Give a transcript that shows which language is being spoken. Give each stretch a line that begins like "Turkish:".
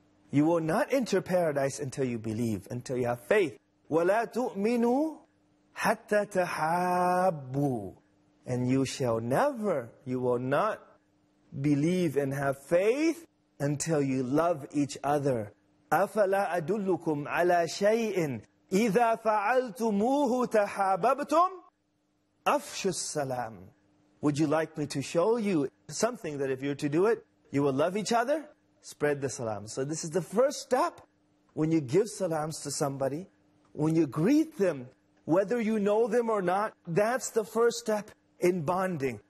English: You will not enter paradise until you believe, until you have faith.
Arabic: ولا تؤمنوا حتى تحابوا.
English: And you shall never, you will not believe and have faith until you love each other.
Arabic: أفلا أدلكم على شيء إذا فعلتموه تحاببتم أفشوا السلام.
English: Would you like me to show you something that if you're to do it, you will love each other? Spread the salam. So this is the first step. When you give salams to somebody, when you greet them, whether you know them or not, that's the first step in bonding.